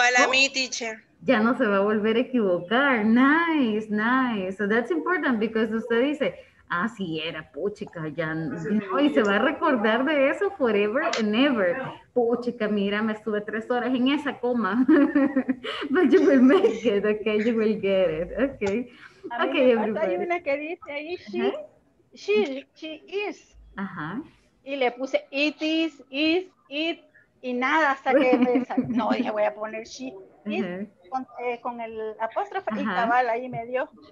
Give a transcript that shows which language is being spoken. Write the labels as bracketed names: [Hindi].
[Spanish] Igual a mí, teacher. Ya no se va a volver a equivocar. [English] Nice, nice. So that's important because [Spanish] usted dice, ah, sí era, puchica, ya no. Y se va a recordar de eso [English] forever and ever. [Spanish] Puchica, mira, me estuve 3 horas en esa coma. [English] But you will make it, okay, you will get it, okay. [Spanish] A mí okay, me falta hay una que dice ahí, she is. Ajá. Y le puse it is, it, y nada, hasta que me salió. No, dije, voy a poner she is con el apóstrofe y cabal ahí me dio.